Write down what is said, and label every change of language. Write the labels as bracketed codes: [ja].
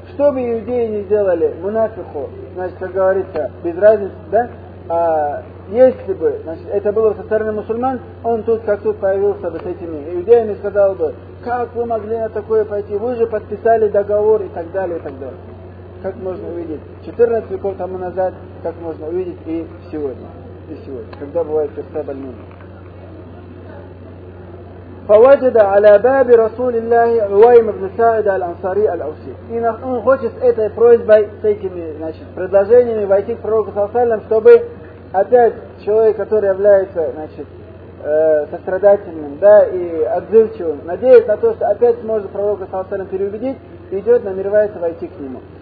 [ru] Что бы иудеи ни сделали, мунафиху, значит, как говорится, без разницы, да, а если бы, значит, это было со стороны мусульман, он тут как тут появился бы с этими иудеями и сказал бы, как вы могли на такое пойти, вы же подписали договор и так далее, и так далее. Как можно увидеть 14 веков тому назад, как можно увидеть и сегодня. и сегодня, когда бывают перста больными. [ar] فوجد على باب رسول الله عويم بن سعد الأنصاري الأوسي. [ru] И он хочет с этой просьбой, с этими, значит, предложениями войти к пророку Саусалям, чтобы опять человек, который является, значит, сострадательным, да, и отзывчивым, надеясь на то, что опять сможет пророка Саусалям переубедить, идет, намеревается войти к нему.